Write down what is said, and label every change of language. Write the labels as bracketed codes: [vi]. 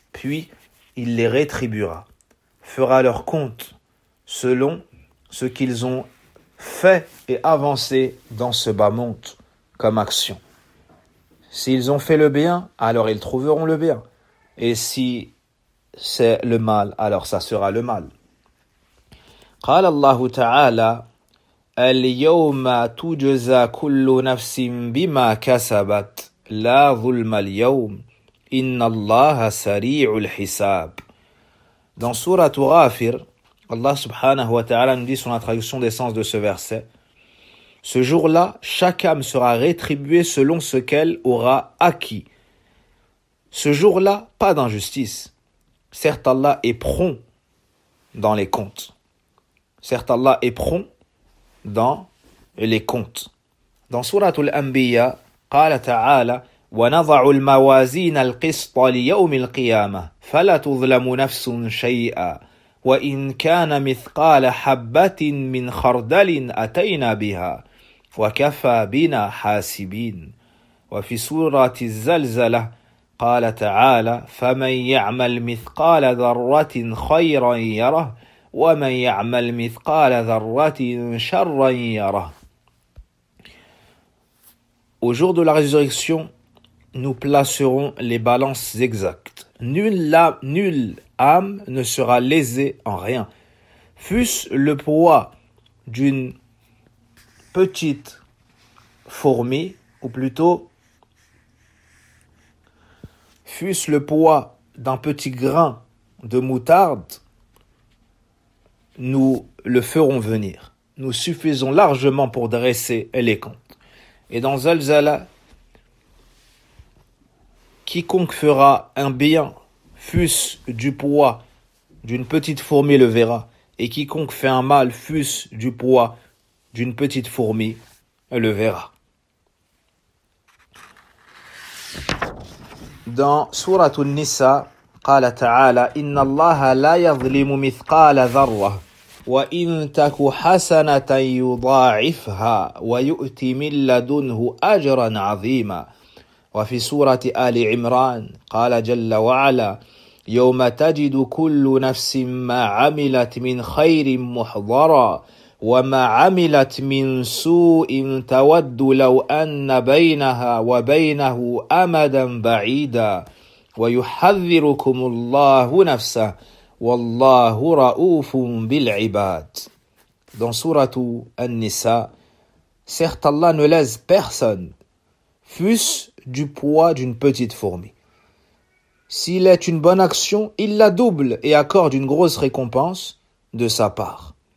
[fr] Puis il les rétribuera, fera leur compte selon ce qu'ils ont fait et avancé dans ce bas monde comme action. S'ils ont fait le bien, alors ils trouveront le bien. Et si c'est le mal, alors ça sera le mal. [ar] قال الله تعالى اليوم تجزى كل نفس بما كسبت لا ظلم اليوم إن الله سريع الحساب. [fr] Dans sourate Ghafir, Allah subhanahu wa ta'ala nous dit sur la traduction des sens de ce verset. Ce jour-là, chaque âme sera rétribuée selon ce qu'elle aura acquis. Ce jour-là, pas d'injustice. Certes, Allah est prompt dans les comptes. Certes, Allah est prompt dans les comptes. Dans sourate Al-Anbiya, [ar] قال تعالى ونضع الموازين القسط ليوم القيامة فلا تظلم نفس شيئا وإن كان مثقال حبة من خردل أتينا بها وكفى بنا حاسبين. وفي سورة الزلزلة قال تعالى فمن يعمل مثقال ذرة خيرا يره ومن يعمل مثقال ذرة شرا يره. [fr] Au jour de la résurrection, nous placerons les balances exactes. Nulle âme ne sera lésée en rien. Fût-ce le poids d'une petite fourmi, ou plutôt, fût-ce le poids d'un petit grain de moutarde, nous le ferons venir. Nous suffisons largement pour dresser les comptes. Et dans Zalzala, quiconque fera un bien, fût-ce du poids d'une petite fourmi, le verra. Et quiconque fait un mal, fût-ce du poids d'une petite fourmi, le verra. Dans sourate An-Nisa, [ar] قال تعالى إن الله لا يظلم مثقال ذرة وإن تك حسنة يضاعفها ويؤتي من لدنه أجرا عظيما. وفي سورة آل عمران قال جل وعلا يوم تجد كل نفس ما عملت من خير محضرا وما عملت من سوء تود لو أن بينها وبينه أمدا بعيدا ويحذركم الله نفسه والله رؤوف بالعباد. [fr] Dans sourate An-Nisa, certes Allah ne laisse personne, fût-ce du poids d'une petite fourmi. S'il est une bonne action, il la double et accorde une grosse récompense de sa part.